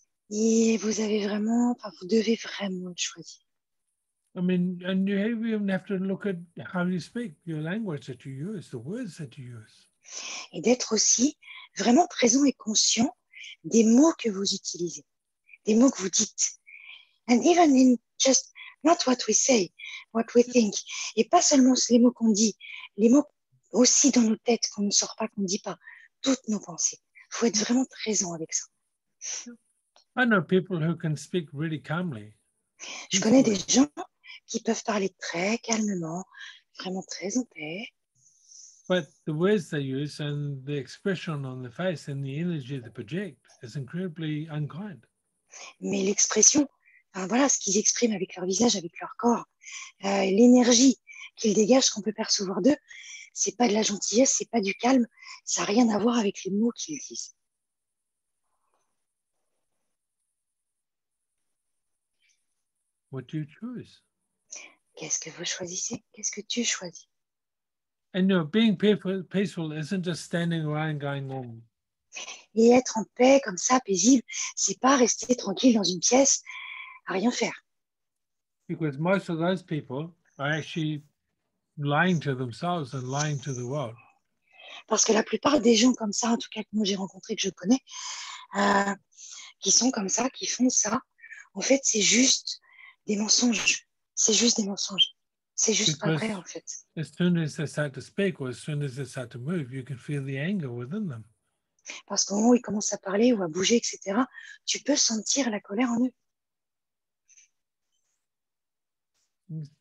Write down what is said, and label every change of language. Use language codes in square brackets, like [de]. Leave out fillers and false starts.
[fr] Et vous avez vraiment, enfin, vous devez vraiment le choisir. [en] I mean, and you even have to look at how you speak, your language that you use, the words that you use. [fr] Et d'être aussi vraiment présent et conscient des mots que vous utilisez, des mots que vous dites. [en] And even in just not what we say, what we think, [fr] et pas seulement les mots qu'on dit, les mots aussi dans nos têtes qu'on ne sort pas, qu'on ne dit pas, toutes nos pensées. Il faut être vraiment présent avec ça. [en] I know people who can speak really calmly. [fr] Je connais des gens qui peuvent parler très calmement, vraiment très en paix. [en] But the words they use and the expression on the face and the energy they project is incredibly unkind. [fr] Mais l'expression, enfin, voilà ce qu'ils expriment avec leur visage, avec leur corps, l'énergie qu'ils dégagent, qu'on peut percevoir d'eux, c'est pas de la gentillesse, c'est pas du calme, ça n'a rien à voir avec les mots qu'ils disent. [en] What do you choose? [fr] Qu'est-ce que vous choisissez? Qu'est-ce que tu choisis? [en] And you know, being peaceful isn't just standing around and going home. [fr] Et être en paix comme ça, paisible, c'est pas rester tranquille dans une pièce à rien faire. [en] Because most of those people are actually lying to themselves and lying to the world. [fr] Parce que la plupart des gens comme ça, en tout cas que moi j'ai rencontré, que je connais, qui sont comme ça, qui font ça, en fait c'est juste des mensonges. C'est juste des mensonges. C'est juste [en] because [fr] pas vrai en fait. [en] As soon as they start to speak or as soon as they start to move, you can feel the anger within them. [fr] Parce qu'au moment où ils commencent à parler ou à bouger, etc., tu peux sentir la colère en eux.